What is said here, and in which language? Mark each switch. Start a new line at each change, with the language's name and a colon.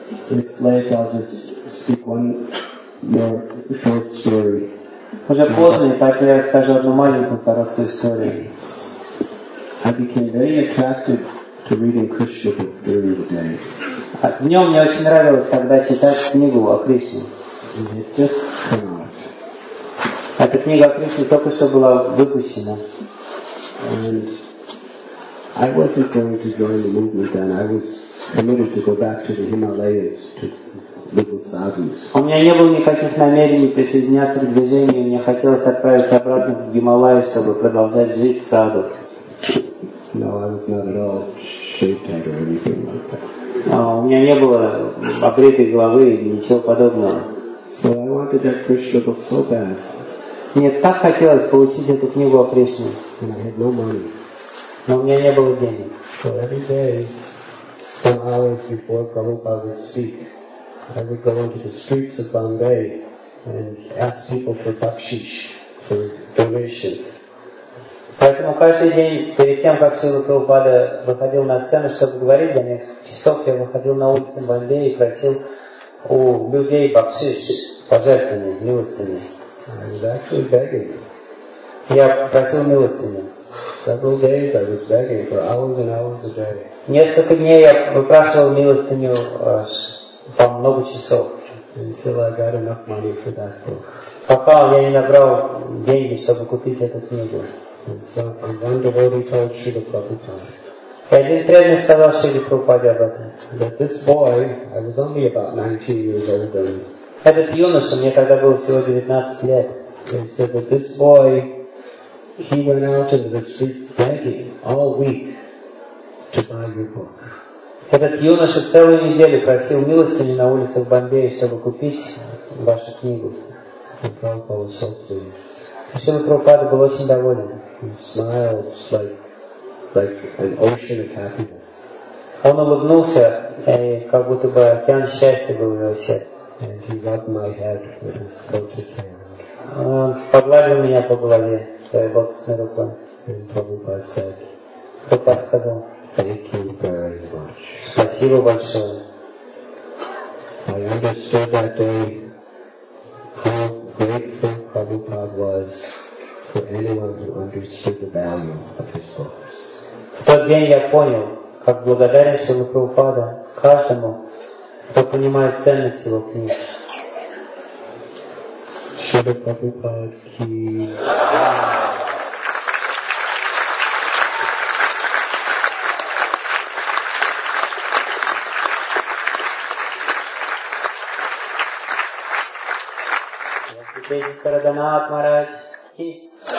English: It's late, I'll just speak one more short story.
Russian: Уже поздно, поэтому я расскажу одну маленькую короткую историю.
English: I became very attracted to reading Krishna book during the day.
Russian: Днем мне очень нравилось тогда читать книгу о Кришне.
English: And it just came out.
Russian: Эта книга о Кришне только что была выпущена.
English: And I wasn't going to join the movement then. I was committed to go back to the Himalayas to live with sadhus.
Russian: У меня не было никаких намерений присоединяться к движению. Мне хотелось отправиться обратно в Гималаи, чтобы продолжать жить в саду.
English: No, I was not at all shaped or anything like that.
Russian: У меня не было обритой головы или ничего подобного.
English: So I wanted that Krishna book so bad.
Russian: Мне так хотелось получить эту книгу о Кришне.
English: And I had no money.
Russian: Но у меня не было денег.
English: So every day, some hours before Prabhupada would speak, I would go into the streets of Bombay and ask people for bakshish, for donations.
Russian: Поэтому каждый день, перед тем, как Шрила Прабхупада выходил на сцену, чтобы говорить, за несколько часов я выходил на улицы Бомбея и просил у людей бакшиш, пожертвования, милостыни.
English: I was actually begging.
Russian: Я просил милостыни.
English: Several days I was begging for hours and hours a day.
Russian: Несколько дней я выпрашивал милостыню по много часов.
English: Until I got enough money for that book.
Russian: Пока я не набрал деньги, чтобы купить эту книгу.
English: And one devotee told Srila Prabhupada.
Russian: И один преданный сказал Шриле Прабхупаде об этом.
English: That this boy, I was only about 19 years old then.
Russian: Этот юноша, мне тогда было всего 19 лет.
English: He said that this boy, he went out into the streets begging all week to buy your book.
Russian: Этот юноша целую неделю просил милостыни на улицах Бомбея, чтобы купить вашу книгу.
English: And Prabhupada was so pleased.
Russian: Шрила Прабхупада был очень доволен.
English: He smiled like an ocean of happiness.
Russian: Он улыбнулся, и как будто бы океан счастья был в его сердце.
English: And he rubbed my head with his lotus hand.
Russian: Он погладил меня по голове своей лотосной рукой. Прабхупада сказал.
English: Thank you very much.
Russian: Спасибо большое.
English: I understood that day how grateful Prabhupada was for anyone who understood the value of his books.
Russian: В тот день я понял, как благодарен Шрила Прабхупада каждому, кто понимает ценность его книг. Шрила Прабхупада ки. Я теперь Сараданат Махарадж ки.